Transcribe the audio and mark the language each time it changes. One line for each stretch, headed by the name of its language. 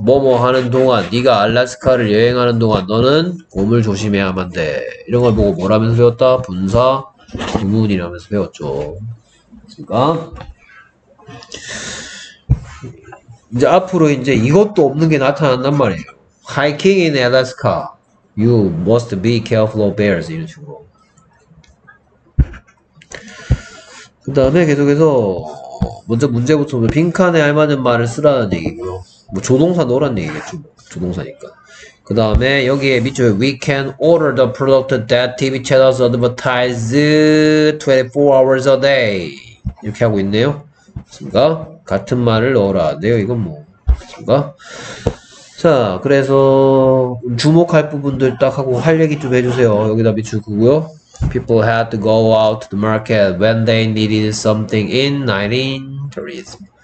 Korean: 뭐뭐 하는 동안, 네가 알래스카를 여행하는 동안, 너는 곰을 조심해야만 돼. 이런 걸 보고 뭐라면서 배웠다? 분사 구문이라면서 배웠죠. 됐습니까? 이제 앞으로 이제 이것도 없는 게 나타난단 말이에요.
English: Hiking in Alaska, you must be careful of bears.
Korean: 이런 식으로. 그 다음에 계속해서 먼저 문제부터 빈칸에 알맞은 말을 쓰라는 얘기고요. 뭐 조동사 넣으란 얘기겠죠. 조동사니까. 그 다음에 여기에 밑줄
English: We can order the product that TV channels advertise 24 hours a day
Korean: 이렇게 하고 있네요. 맞습니까? 같은 말을 넣어라. 네요 이건 뭐 맞습니까? 자 그래서 주목할 부분들 딱 하고 할 얘기 좀 해주세요. 여기다 밑줄 그고요.
English: People had to go out to the market when they needed something in 1930s.